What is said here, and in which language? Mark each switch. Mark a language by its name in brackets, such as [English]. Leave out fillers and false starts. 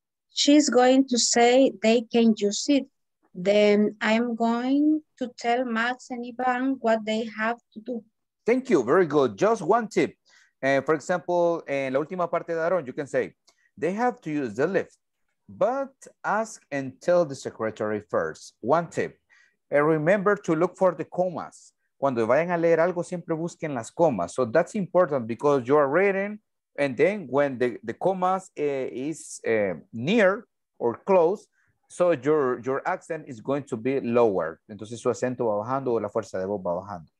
[English] She's going to say they can use it. Then I'm going to tell Max and Ivan what they have to do. Thank you. Very good. Just one tip. For example, [Spanish] en la última parte de Aaron, [English] you can say, they have to use the lift, but ask and tell the secretary first. One tip. Remember to look for the commas. [Spanish] Cuando vayan a leer algo, siempre busquen las commas. [English] So that's important because you are reading, and then when the commas is near or close, so your accent is going to be lower. [Spanish] Entonces su acento va bajando o la fuerza de voz va bajando.